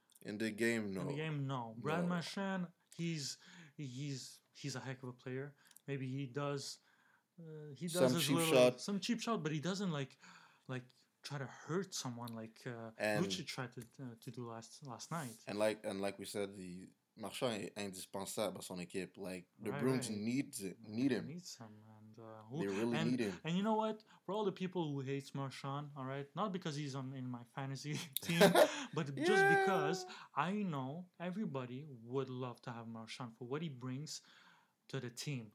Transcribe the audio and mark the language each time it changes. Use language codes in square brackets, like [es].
[en] In the game, no. In the game, no. Brad Marchand, he's a heck of a player. Maybe he does some cheap shot. Some cheap shot, but he doesn't like try to hurt someone like Lucic tried to do last night. And like we said, the Marchand [fr] est indispensable à son équipe. [en] Like the Bruins need him. Needs him. Need him. And you know what? For all the people who hate Marchand, all right, not because he's in my fantasy team, but just because I know everybody would love to have Marchand for what he brings to the team.